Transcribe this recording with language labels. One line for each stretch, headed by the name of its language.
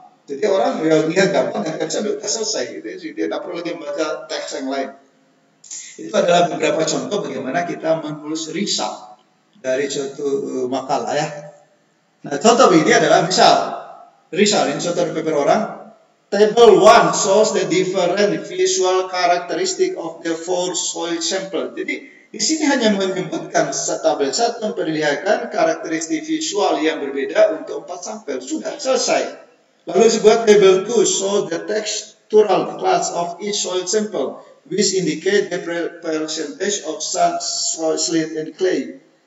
Indonesian: Jadi orang yang lihat gambar dan caption sudah selesai. Gitu. Jadi dia tidak perlu lagi membaca teks yang lain. Itu adalah beberapa contoh bagaimana kita menulis riset dari suatu makalah ya. Nah contoh ini adalah misal riset ini contoh paper orang.
English: Table 1 shows the different visual characteristic of the four soil sample.
Indonesian: Jadi di sini hanya menyebutkan tabel 1 memperlihatkan karakteristik visual yang berbeda untuk 4 sampel. Sudah selesai. Lalu sebuah
English: table 2 shows the textural class of each soil sample, which indicate the percentage of sand, soil, slate, and clay.